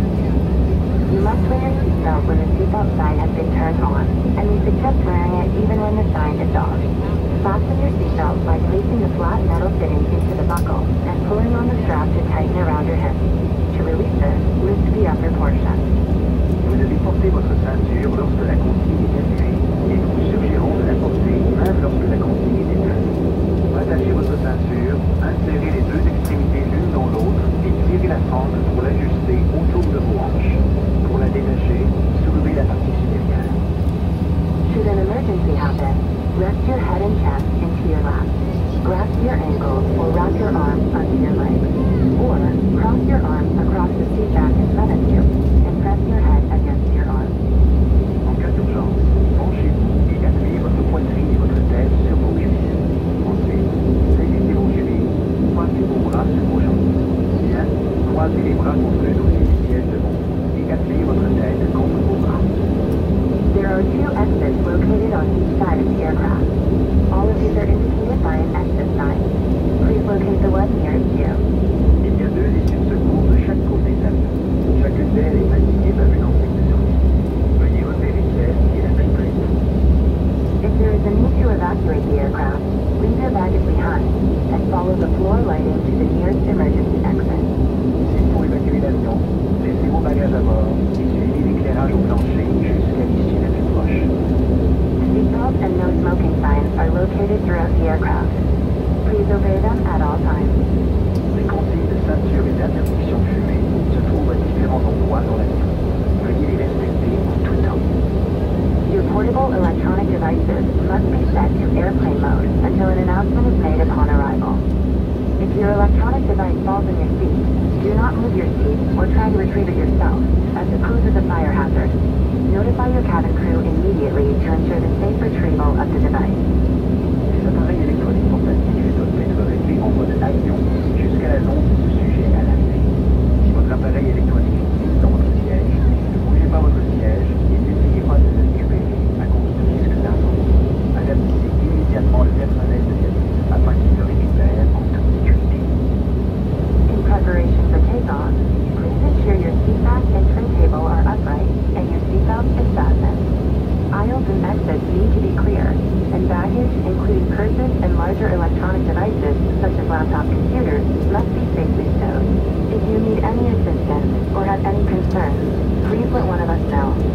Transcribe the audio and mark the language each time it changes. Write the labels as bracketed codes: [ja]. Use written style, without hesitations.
[en] when the seatbelt sign has been turned on, and we suggest wearing it even when the sign is off. Fasten your seatbelt by placing the flat metal fitting into the buckle and pulling on the strap to tighten around your hip. To release this, lift the upper portion. [fr] Vous avez porté votre ceinture lorsque la consigne est assurée, et nous vous suggérons de la porter même lorsque la consigne est éteinte. Attachez votre ceinture, insérez les deux extrémités l'une dans l'autre et tirez la frange pour l'ajuster autour de vos hanches. Pour la détacher, soulevez la partie supérieure. [en] Should an emergency happen, rest your head and chest into your lap. Grasp your ankles or wrap your arms under your legs. Or cross your arms across the seat back in front of you and press your head against your arms. [fr] En cas d'urgence, penchez-vous et appuyez votre poitrine et votre tête sur vos chevilles. Ensuite, saisissez vos chevilles, croisez vos bras sur vos jambes. Bien, croisez les bras contre le dossier du siège devant et appuyez votre tête contre vos bras. [en] There are two exits located on each side of the aircraft. All of these are indicated by an exit sign. Please locate the one nearest you. [fr] Il y a deux issues de secours de chaque côté de l'avion. Chacune d'elles est indiquée par une enseigne de survie. Veuillez repérer celle qui est la plus près. [en] If there is a need to evacuate the aircraft, leave your baggage behind and follow the floor lighting to the nearest emergency exit. [fr] S'il faut évacuer l'avion, laissez vos bagages à bord et suivez l'éclairage au plancher jusqu'à l'issue la plus proche. [en] Seatbelts and no smoking signs are located throughout the aircraft. Please obey them at all times. [fr] Les consignes de ceinture et d'interdiction de fumée se trouvent à différents endroits dans l'avion. Veuillez les respecter en tout temps. [en] Your portable electronic devices must be set to airplane mode until an announcement is made upon arrival. If your electronic device falls in your seat, do not move your seat or try to retrieve it yourself, as it poses a fire hazard. Notify your cabin crew immediately to ensure the safe retrieval of the device. [fr] Les appareils électroniques portatifs doivent être réglés en mode avion jusqu'à l'annonce de ce sujet à l'arrivée. Si votre appareil électronique est dans votre siège, ne bougez pas votre siège et n'essayez pas de le récupérer à cause du risque d'incendie. Avertissez immédiatement le personnel de service afin qu'il le récupère en toute sécurité. [en] In preparation for takeoff, please ensure your seat back and trim table are upright and your seatbelt is fastened. Aisles and exits need to be clear, and baggage, including purses and larger electronic devices, such as laptop computers, must be safely stowed. If you need any assistance or have any concerns, please let one of us know.